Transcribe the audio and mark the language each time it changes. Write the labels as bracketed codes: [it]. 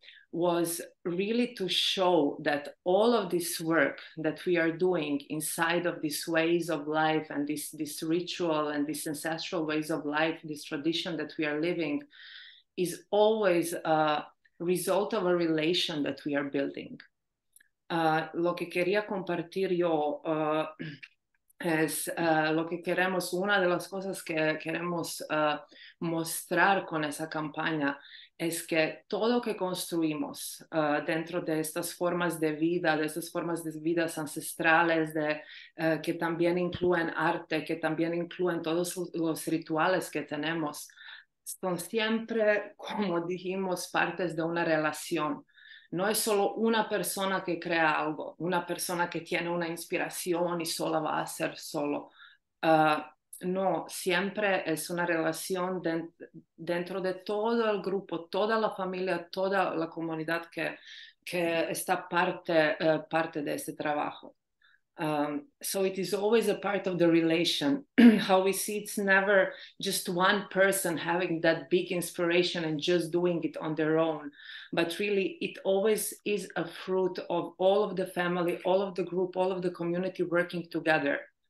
[en] was really to show that all of this work that we are doing inside of these ways of life and this ritual and these ancestral ways of life, this tradition that we are living, is always a result of a relation that we are building. [es] Lo que quería compartir yo es lo que queremos, una de las cosas que queremos mostrar con esa campaña es que todo lo que construimos dentro de estas formas de vida, de estas formas de vida ancestrales, de, que también incluyen arte, que también incluyen todos los rituales que tenemos, son siempre, como dijimos, partes de una relación. No es solo una persona que crea algo, una persona que tiene una inspiración y sola va a ser solo. No, siempre es una relación dentro de todo el grupo, toda la familia, toda la comunidad que está parte de este trabajo. [en] So it is always a part of the relation. How we see it's never just one person having that big inspiration and just doing it on their own, but really it always is a fruit of all of the family, all of the group, all of the community working together.